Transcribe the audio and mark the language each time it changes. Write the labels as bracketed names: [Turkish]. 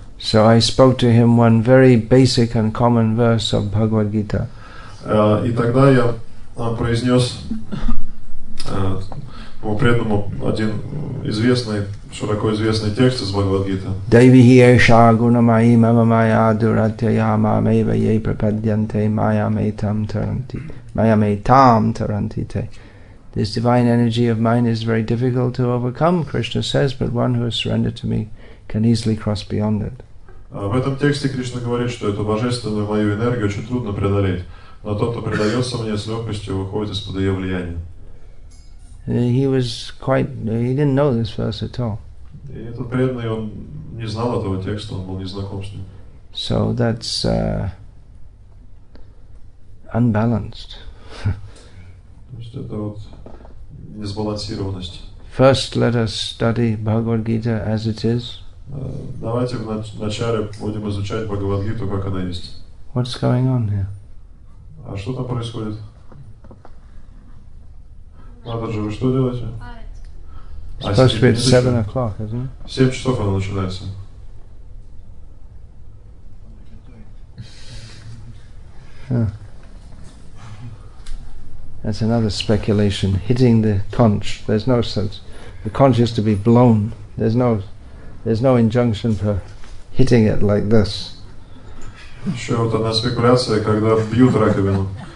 [English] So I spoke to him one very basic and common verse of Bhagavad Gita. [Russian] И тогда я произнес преданному один известный, широко известный текст из Бхагавад-гиты. [Sanskrit] Дайвихи эша гунамайи мамамайя дуратьяя мамэйва ей пропадьянте майамэйтам таранти майамэйтам тарантите. [English] This divine energy of mine is very difficult to overcome, Krishna says, but one who has surrendered to me can easily cross beyond it. [Russian] В этом тексте Кришна говорит, что эту божественную мою энергию очень трудно преодолеть, но тот, кто предается мне, с легкостью выходит из-под ее влияния. [English] He didn't know this verse at all. [Russian] И этот преданный, он не знал этого текста, он был не знаком с ним. [English] So that's unbalanced. [Russian] То есть это вот несбалансированность. [English] First, let us study Bhagavad Gita as it is. [Russian] Давайте вначале будем изучать Бхагавад Гиту, как она есть. [English] What's going on here? [Russian] А что там происходит? Матаджи, вы что делаете? [English] Supposed to be at 7 o'clock, isn't it? [Russian] В 7 часов она начинается. [English] That's another speculation. Hitting the conch. There's no sense. The conch is to be blown. There's no injunction for hitting it like this. [Russian] Еще вот одна спекуляция, когда бьют раковину.